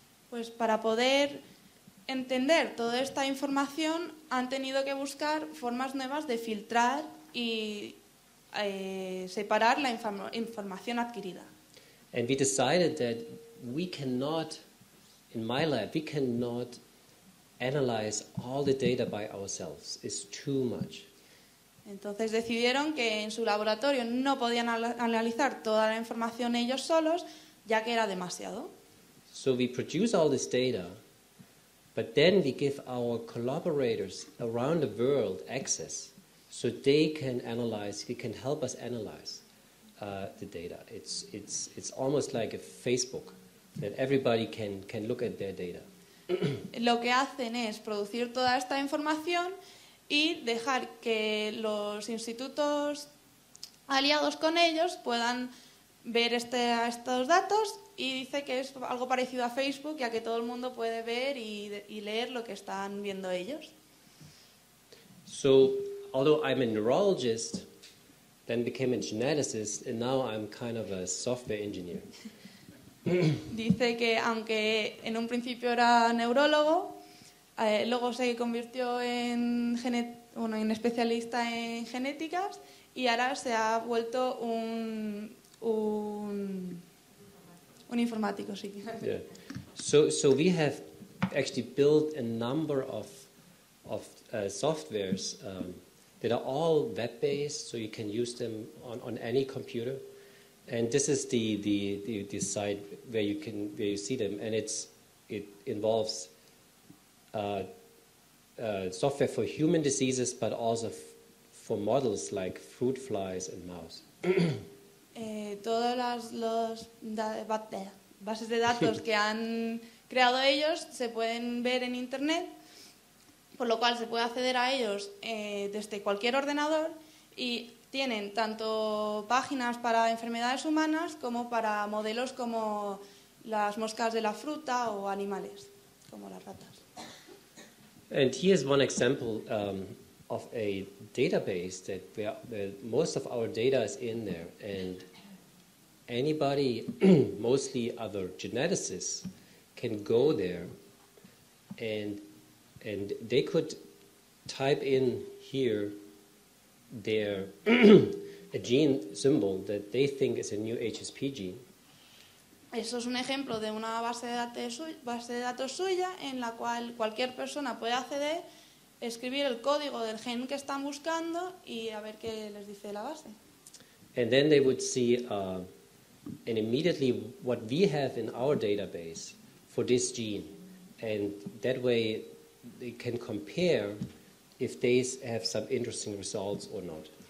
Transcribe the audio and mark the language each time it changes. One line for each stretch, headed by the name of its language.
Spanish: Pues para poder entender toda esta información han tenido que buscar formas nuevas de filtrar y separar la información adquirida.
English: And we decided that we cannot, in my lab, we cannot analyze all the data by ourselves. It's too much.
Spanish: Entonces decidieron que en su laboratorio no podían analizar toda la información ellos solos, ya que era demasiado.
English: So we produce all this data, but then we give our collaborators around the world access, so they can analyze, they can help us analyze the data. It's almost like a Facebook, that everybody can look at their data.
Spanish: Lo que hacen es producir toda esta información y dejar que los institutos aliados con ellos puedan ver estos datos, y dice que es algo parecido a Facebook, ya que todo el mundo puede ver y leer lo que están viendo ellos.
English: So, although I'm a neurologist, then became a geneticist, and now I'm kind of a software engineer.
Spanish: Dice que aunque en un principio era neurólogo, luego se convirtió en especialista en genéticas y ahora se ha vuelto un informático, sí.
English: Yeah. So we have actually built a number of softwares that are all web-based, so you can use them on any computer. And this is the site where you see them, and it involves software for human diseases, but also for models like fruit flies and mouse.
Spanish: Todas bases de datos que han creado ellos se pueden ver en internet, por lo cual se puede acceder a ellos desde cualquier ordenador, y tienen tanto páginas para enfermedades humanas como para modelos como las moscas de la fruta o animales, como las ratas.
English: And here's one example of a database that most of our data is in there, and anybody, mostly other geneticists, can go there, and they could type in here their a gene symbol that they think is a new HSP gene.
Spanish: Eso es un ejemplo de una base de datos suya en la cual cualquier persona puede acceder, escribir el código del gen que están buscando y a ver qué les dice la base.
English: And then they would see and immediately what we have in our database for this gene, and that way they can compare if they have some interesting results or not.